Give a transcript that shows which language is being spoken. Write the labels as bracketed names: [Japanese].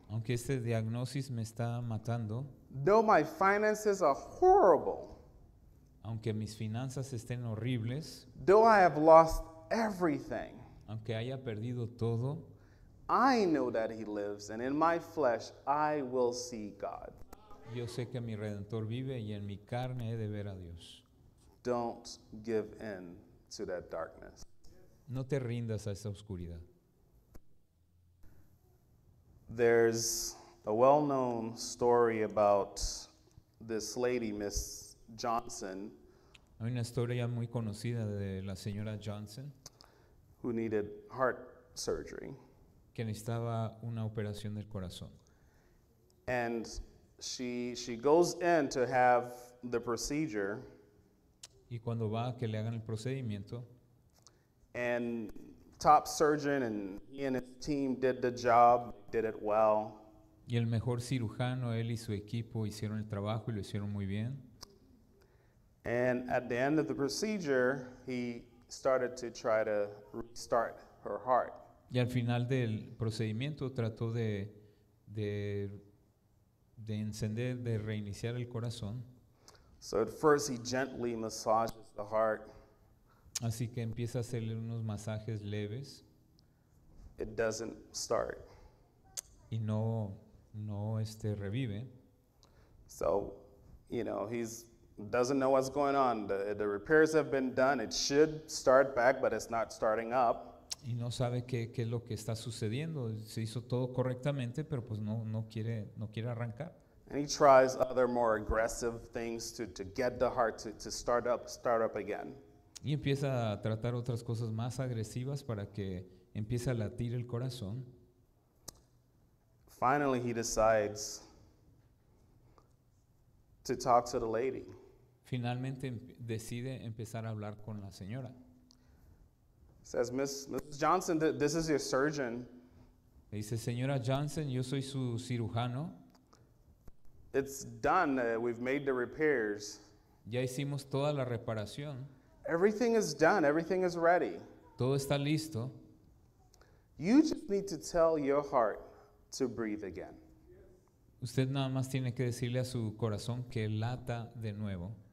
[Spanish] aunque este diagnosis me está matando, [English] though my finances are horrible, [Spanish] aunque mis finanzas estén horribles, [English] though I have lost everything, [Spanish] aunque haya perdido todo, [English] I know that he lives, and in my flesh I will see God. [Spanish] Yo sé que mi Redentor vive y en mi carne he de ver a Dios. [English] Don't give in to that darkness. [Spanish] No te rindas a esa oscuridad. [English] There's a well-known story about this lady, Miss Johnson. [Spanish] Hay una historia muy conocida de la señora Johnson, [English] who needed heart surgery. [Spanish] Que necesitaba una operación del corazón. [English] And she goes in to have the procedure. [Spanish] Y cuando va a que le hagan el procedimiento, [English] and top surgeon, and he and his team did the job, did it well. [Spanish] Y el mejor cirujano, él y su equipo hicieron el trabajo y lo hicieron muy bien. [English] And at the end of the procedure, he started to try to restart her heart. [Spanish] Y al final del procedimiento trató de encender, de reiniciar el corazón. [English] So at first he gently massages the heart. [Spanish] Así que empieza a hacerle unos masajes leves. [English] It doesn't start. [Spanish] Y no revive. [English] So, you know, he's doesn't know what's going on. The repairs have been done. It should start back, but it's not starting up. [Spanish] Y no sabe qué es lo que está sucediendo. Se hizo todo correctamente, pero pues no quiere arrancar. [English] And he tries other more aggressive things to get the heart to start up again. [Spanish] Y empieza a tratar otras cosas más agresivas para que empiece a latir el corazón. [English] Finally, he decides to talk to the lady. [Spanish] Finalmente decide empezar a hablar con la señora. [English] Says, Miss Johnson, this is your surgeon. [Spanish] Le dice, señora Johnson, yo soy su cirujano. [English] It's done. We've made the repairs. [Spanish] Ya hicimos toda la reparación. [English] Everything is done. Everything is ready. [Spanish] Todo está listo. [English] You just need to tell your heart to breathe again. [Spanish] Usted nada más tiene que decirle a su corazón que lata de nuevo.